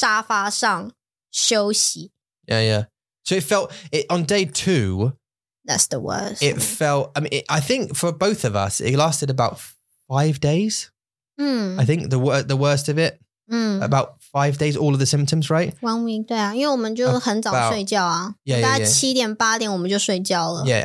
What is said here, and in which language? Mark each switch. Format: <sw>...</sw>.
<zh>我就没有办法，我就让Maxi就自己玩了，我就没有办法照顾他，完全没办法，我就一定要躺在沙发上休息。 Yeah,</zh> <en>yeah. So it felt on day two. That's the worst. It felt. I mean, I think for both of us, it lasted about 5 days. Mm. I think the worst of it. Mm. About 5 days, all of the symptoms, right?</en> <zh>1 week, 对啊，因为我们就很早睡觉啊，大概七点八点我们就睡觉了。</zh>